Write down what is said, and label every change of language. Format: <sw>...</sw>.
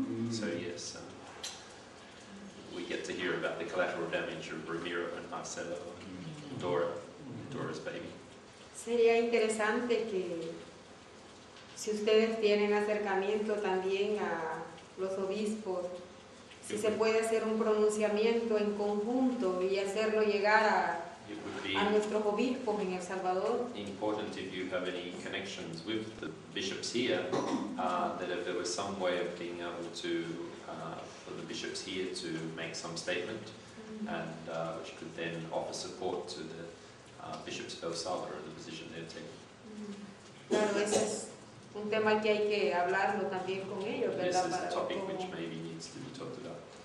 <en>So yes, we get to hear about the collateral damage of Ramiro and Marcelo and Dora's baby.</en> <es>Sería interesante que si ustedes tienen acercamiento también a los obispos, si se puede hacer un pronunciamiento en conjunto y hacerlo llegar a nuestros obispos en El Salvador.</es> <en>Important if you have any connections with the bishops here, that if there was some way of being able to, for the bishops here to make some statement, and which could then offer support to the bishops of El Salvador and the position they're taking.</en> <es>Claro, ese es un tema que hay que hablarlo también con ellos, ¿verdad?</es> <en>This is a topic which maybe needs to be talked about.</en>